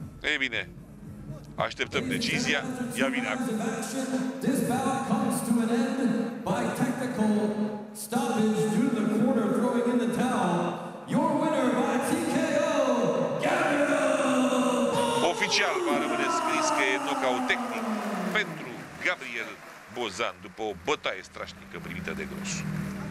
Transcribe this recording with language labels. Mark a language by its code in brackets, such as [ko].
[ro] Ei bine, așteptăm decizia, ia vine acum. [en] This battle comes to an end by tactical stoppage due to the corner throwing in the towel. Your winner by TKO, Gabriel Bozan. [ro] Oficial va rămâne scris că e knockout tehnic pentru Gabriel Bozan după o bătaie strașnică primită de Grosul.